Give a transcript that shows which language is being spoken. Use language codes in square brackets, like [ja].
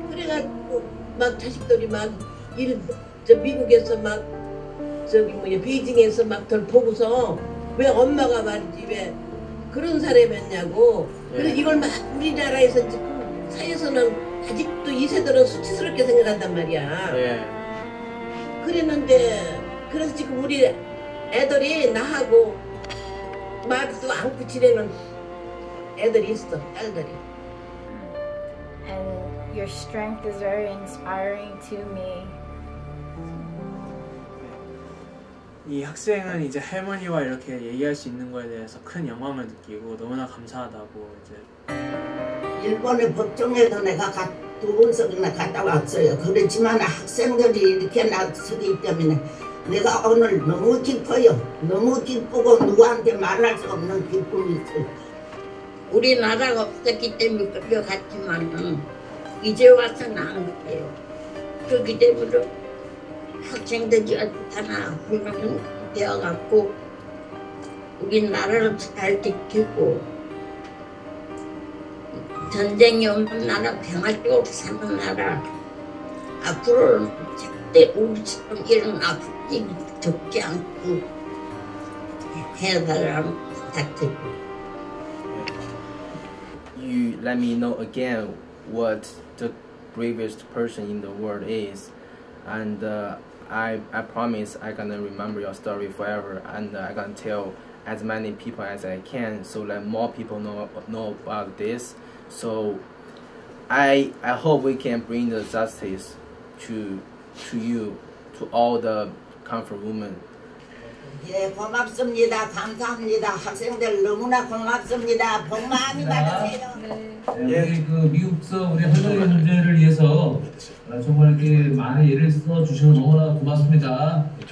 [ko] 그래갖고 막 자식들이 막 저 미국에서 막 저기 뭐 베이징에서 막 덜 보고서 왜 엄마가 말이지 왜 그런 사람이었냐고 그래서 이걸 막 우리나라에서 지금 사회에서는 아직도 이 세대는 수치스럽게 생각한단 말이야. 그랬는데 그래서 지금 우리 애들이 나하고 말도 않고 지내는 애들이 있어 딸들이. [en] And your strength is very inspiring to me. [ko] 이 학생은 이제 할머니와 이렇게 얘기할 수 있는 거에 대해서 큰 영광을 느끼고 너무나 감사하다고 이제 일본의 법정에도 내가 두 번씩이나 갔다 왔어요. 그렇지만 학생들이 이렇게 나서기 때문에 내가 오늘 너무 기뻐요. 너무 기쁘고 누구한테 말할 수 없는 기쁨이 있어요. 우리 나라가 없었기 때문에 그렇게 갔지만 이제 와서 나은데요. 그렇기 때문에 학생들이 어떻게나 훌륭해갖고 우리 나라를 잘 지키고 전쟁이 없는 나라, 병아리 없이 사는 나라 앞으로는 절대 우리처럼 이런 아픔이 겪지 않고 해달라고 부탁드리고 [en] You let me know again what the bravest person in the world is and I promise I'm gonna remember your story forever and I'm gonna tell as many people as I can so that more people know about this. So I hope we can bring the justice to you, to all the comfort women. [ko] 예, 고맙습니다. 감사합니다. 학생들 너무나 고맙습니다. 복 많이 받으세요. 네. 우리 그 미국서 우리 할머니 문제를 위해서 정말 이렇게 많은 일을 써 주셔서 너무나 고맙습니다.